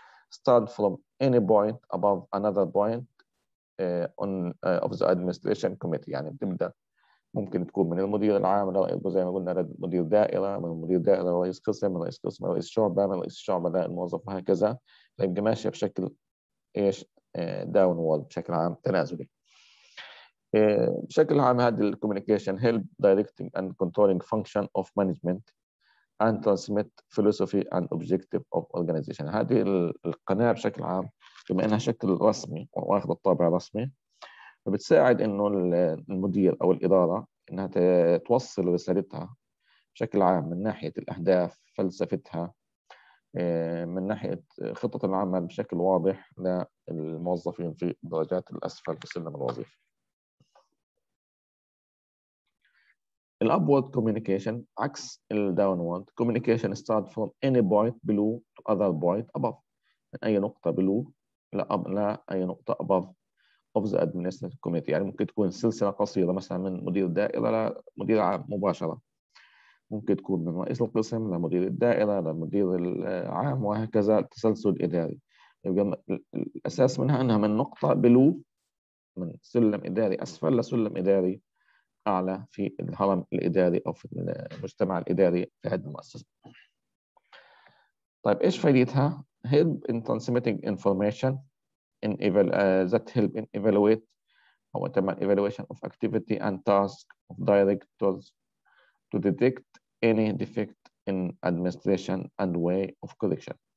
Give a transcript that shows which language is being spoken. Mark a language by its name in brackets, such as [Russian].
[English] start from any point above another point on off the administration committee, [Arabic] يعني بتبدا ممكن تكون من المدير العام زي ما قلنا، مدير دائره، من مدير دائره رئيس قسم، من رئيس قسم رئيس شعبه، من رئيس شعبه لا الموظف، وهكذا. فيبقى ماشيه بشكل ايش داونورد بشكل عام تنازلي. بشكل عام هذه الكوميونيكيشن [English] help directing and controlling function of management and transmit philosophy and objective of organization. [Arabic] هذه القناة بشكل عام بما انها شكل رسمي واخذ الطابع رسمي، بتساعد انه المدير او الادارة انها توصل رسالتها بشكل عام من ناحية الاهداف، فلسفتها، من ناحية خطة العمل بشكل واضح للموظفين في درجات الاسفل في سلم الوظيفة. الأبورد كوميونيكيشن عكس الداونورد كوميونيكيشن، [English] start from any point below to other point above، [Arabic] من أي نقطة [English] below [Arabic] لا أي نقطة [English] above of the administrative committee. [Arabic] يعني ممكن تكون سلسلة قصيرة مثلا من مدير الدائرة لمدير عام مباشرة، ممكن تكون من رئيس القسم لمدير الدائرة لمدير العام، وهكذا تسلسل إداري. يبقى الأساس منها أنها من نقطة below، من سلم إداري أسفل لسلم إداري أعلى في الهرم الإداري أو في المجتمع الإداري في هذه المؤسسة. طيب إيش فائدتها؟ [English] help in transmitting information in that help in evaluate [Arabic] أو تعمل [English] evaluation of activity and task of directors to detect any defect in administration and way of correction.